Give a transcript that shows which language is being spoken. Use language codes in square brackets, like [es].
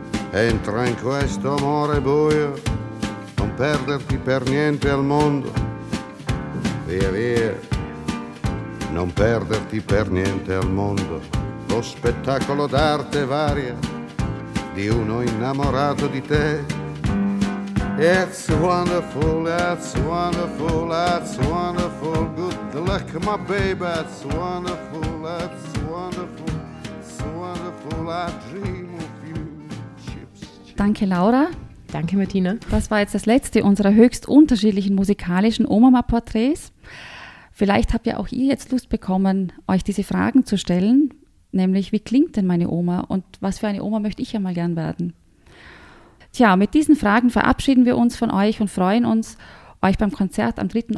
[it] Entra in questo amore buio, non perderti per niente al mondo. Via, via, non perderti per niente al mondo. Lo spettacolo d'arte varia di uno innamorato di te. [en] It's wonderful, that's wonderful, that's wonderful. Good luck, my baby, it's wonderful, that's wonderful, it's wonderful, I dream of you. Chips. [de] Danke, Laura. Danke, Martina. Das war jetzt das letzte unserer höchst unterschiedlichen musikalischen Omama-Porträts. Vielleicht habt ja auch ihr jetzt Lust bekommen, euch diese Fragen zu stellen, nämlich wie klingt denn meine Oma und was für eine Oma möchte ich ja mal gern werden? Tja, mit diesen Fragen verabschieden wir uns von euch und freuen uns, euch beim Konzert am 3.